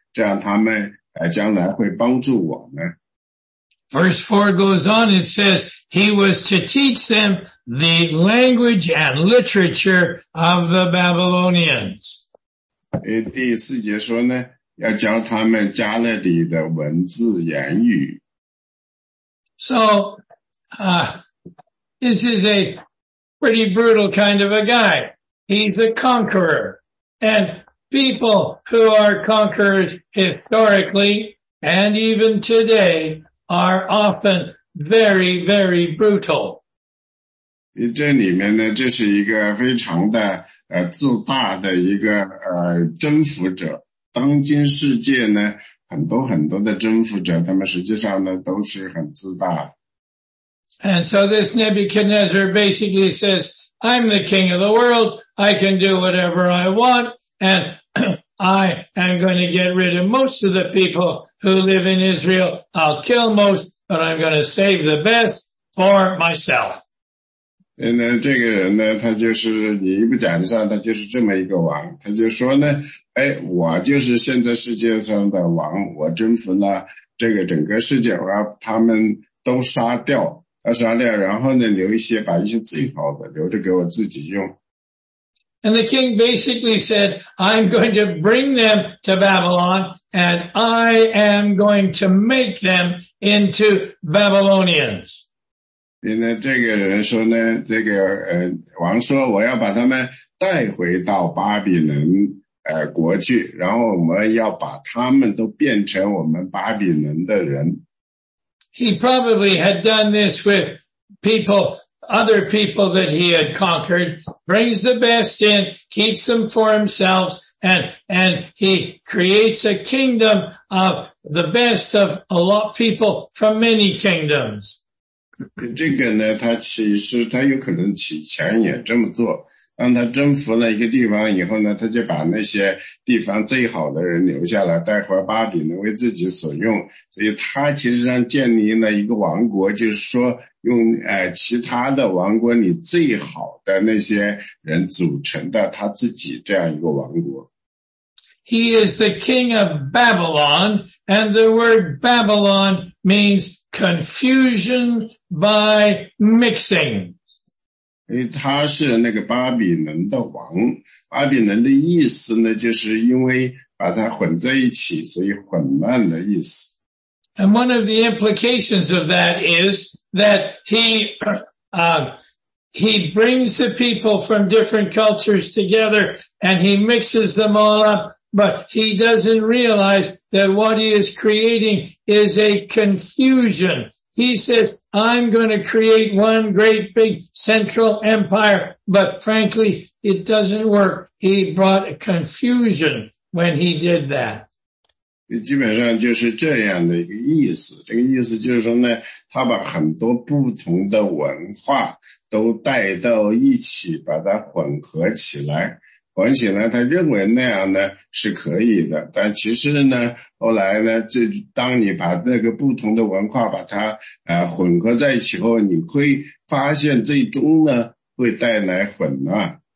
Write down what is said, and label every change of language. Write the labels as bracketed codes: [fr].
[zh] 这样他们将来会帮助我们。 [en] Verse 4 goes on and says, he was to teach them the language and literature of the Babylonians. [zh] 第四节说呢，要教他们加勒底的文字言语。 [en] So, this is a pretty brutal kind of a guy. He's a conqueror. And,people who are conquered historically and even today are often very, very brutal. [zh] 这里面呢，这是一个非常的自大的一个征服者。当今世界呢，很多很多的征服者，他们实际上呢都是很自大。 [en] And so this Nebuchadnezzar basically says, "I'm the king of the world. I can do whatever I want." And I am going to get rid of most of the people who live in Israel. I'll kill most, but I'm going to save the best for myself. [zh] 那这个人呢，他就是你一不讲上，他就是这么一个王。他就说呢，哎，我就是现在世界上的王，我征服了这个整个世界，我要他们都杀掉，然后呢，留一些，把一些最好的留着给我自己用。 [en] And the king basically said, I'm going to bring them to Babylon, and I am going to make them into Babylonians. [zh] 这个人说呢，这个王说，我要把他们带回到巴比伦国去，然后我们要把他们都变成我们巴比伦的人。 [en] He probably had done this with other people that he had conquered, brings the best in, keeps them for himself, and he creates a kingdom of the best of a lot of people from many kingdoms. [zh] 这个呢，他其实他有可能起前也这么做，当他征服了一个地方以后呢，他就把那些地方最好的人留下来，带回巴比呢为自己所用。所以他其实上建立了一个王国，就是说用其他的王国里最好的那些人组成的他自己这样一个王国。 [en] He is the king of Babylon, and the word Babylon means confusion by mixing. [zh] 他是那个巴比伦的王，巴比伦的意思呢，就是因为把它混在一起，所以混乱的意思。 [en] And one of the implications of that is that he brings the people from different cultures together and he mixes them all up, but he doesn't realize that what he is creating is a confusion. He says, I'm going to create one great big central empire, but frankly, it doesn't work. He brought a confusion when he did that. [zh] 基本上就是这样的一个意思，这个意思就是说呢，他把很多不同的文化都带到一起，把它混合起来，混起来他认为那样呢是可以的，但其实呢后来呢，这当你把那个不同的文化把它混合在一起后，你会发现最终呢会带来混乱。